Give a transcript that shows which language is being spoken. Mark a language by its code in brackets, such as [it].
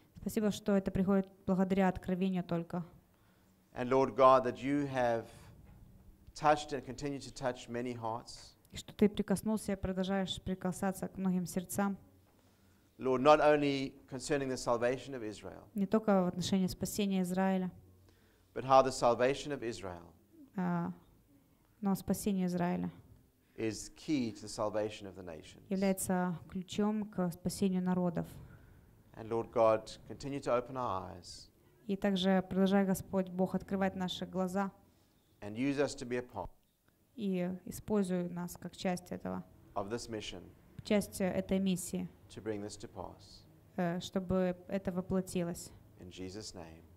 [ru] Спасибо, что это приходит благодаря откровению только. [en] And Lord God, that you have touched and continue to touch many hearts. [ru] И что ты прикоснулся и продолжаешь прикасаться к многим сердцам. [en] Lord, not only concerning the salvation of Israel. [ru] Не только в отношении спасения Израиля. [en] But how the salvation of Israel. [ru] Но спасение Израиля. [en] Is key to the salvation of the nations. [ru] Является ключом к спасению народов. [en] And Lord God, continue to open our eyes. [ru] И также продолжай, Господь Бог, открывать наши глаза. [en] and use us to be a part. [ru] И используй нас как часть этого. [en] Of this mission. [ru] Часть этой миссии. [en] To bring this to pass. [ru] Чтобы это воплотилось. [en] In Jesus' name.